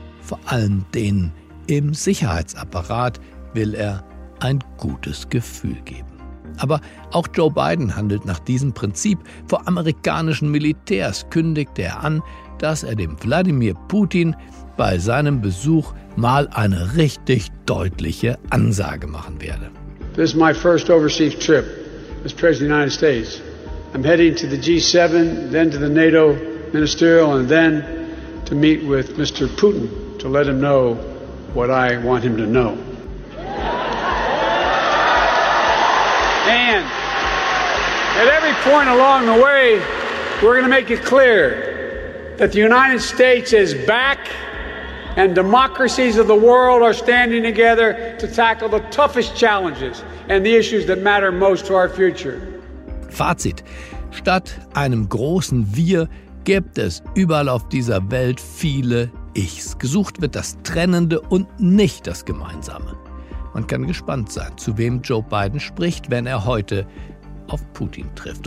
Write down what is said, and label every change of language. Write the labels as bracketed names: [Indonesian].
[German] Vor allem denen im Sicherheitsapparat will er ein gutes Gefühl geben. Aber auch Joe Biden handelt nach diesem Prinzip. Vor amerikanischen Militärs kündigte er an, dass er dem Wladimir Putin bei seinem Besuch mal eine richtig deutliche Ansage machen werde. [English] This is my first overseas trip as President of the United States. I'm heading to the G7, then to the NATO ministerial and then to meet with Mr. Putin to let him know what I want him to know. And at every point along the way, we're going to make it clear that the United States is back. And democracies of the world are standing together to tackle the toughest challenges and the issues that matter most to our future. [German] Fazit: Statt einem großen Wir gibt es überall auf dieser Welt viele Ichs. Gesucht wird das Trennende und nicht das Gemeinsame. Man kann gespannt sein, zu wem Joe Biden spricht, wenn er heute auf Putin trifft.